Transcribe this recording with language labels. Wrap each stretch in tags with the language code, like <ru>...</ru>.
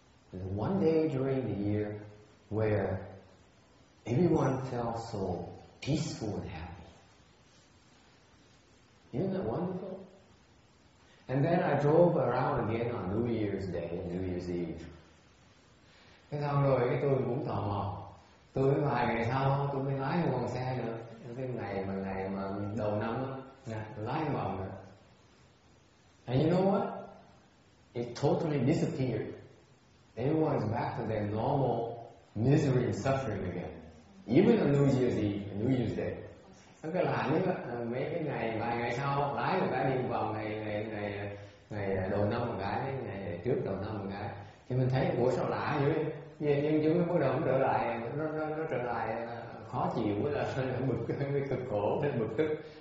<en>There's one day during the year where everyone felt so peaceful and happy. Isn't that wonderful? And then I drove around again on New Year's Day, New Year's Eve.</en> <vi>Thế xong rồi cái tôi cũng tò mò. Tôi vài ngày sau tôi mới lái một vòng xe nữa. Cái ngày mà đầu năm á, tôi lái một vòng nữa.</vi> <en>And you know what? It totally disappeared. Everyone's back to their normal misery and suffering again. Even on New Year's Eve, New Year's Day.</en> <vi>Nó cứ làm như mấy cái ngày vài ngày sau lái một cái đi một vòng ngày đầu năm một cái, ngày trước đầu năm một cái, thì mình thấy ủa sao lạ dữ vậy, nhưng chúng mới bắt đầu trở lại, nó trở lại khó chịu, với là bực, cái cực khổ, cái bực tức.</vi>